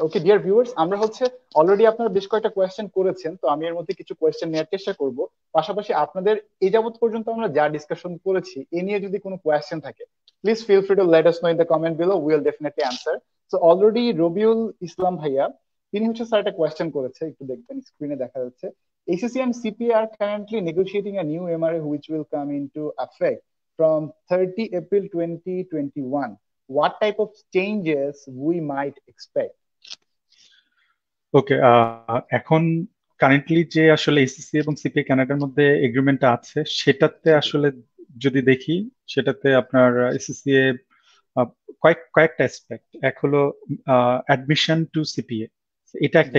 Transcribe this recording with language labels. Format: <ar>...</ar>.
<bn>Okay dear viewers, আমরা হচ্ছে already আপনারা বেশ কয়েকটা কোয়েশ্চেন করেছেন, তো আমি এর মধ্যে কিছু কোয়েশ্চেন নেওয়ার চেষ্টা করব। পাশাপাশি আপনাদের এ যাবৎ পর্যন্ত আমরা যা ডিসকাশন করেছি এ নিয়ে যদি কোনো কোয়েশ্চেন থাকে</bn> <en>Please feel free to let us know in the comment below, will definitely answer.</en> <bn>So already Rabiul Islam ভাইয়া তিনি হচ্ছে স্যার একটা কোয়েশ্চেন করেছে, একটু দেখবেন স্ক্রিনে দেখা যাচ্ছে।</bn> <en>ACC and CPA are currently negotiating a new MRA which will come into effect from 30 April 2021. What type of changes we might expect?</en> <bn>ওকে, এখন কারেন্টলি যে আসলে এসএসসি এবং সিপিএ কানাডার মধ্যে এগ্রিমেন্টটা আছে সেটাতে আসলে যদি দেখি সেটাতে আপনার এসএসসি এ কয়েক কয়েকটা অ্যাসপেক্ট, এক হলো অ্যাডমিশন টু সিপিএ, এটা একটা</bn>